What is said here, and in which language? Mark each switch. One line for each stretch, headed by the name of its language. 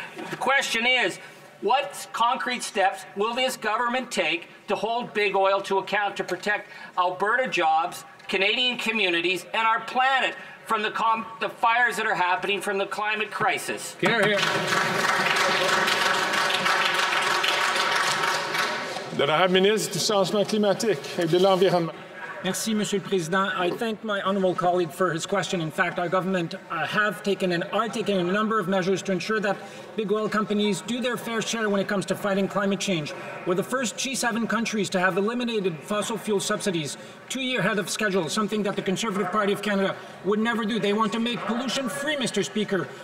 English: The question is, what concrete steps will this government take to hold big oil to account to protect Alberta jobs, Canadian communities, and our planet from the fires that are happening from the climate crisis? Here, here.
French: L'honorable ministre du changement climatique et de l'environnement. Merci, Monsieur le Président.
English: I thank my honourable colleague for his question. In fact, our government are taking a number of measures to ensure that big oil companies do their fair share when it comes to fighting climate change. We're the first G7 countries to have eliminated fossil fuel subsidies 2 years ahead of schedule, something that the Conservative Party of Canada would never do. They want to make pollution free, Mr. Speaker.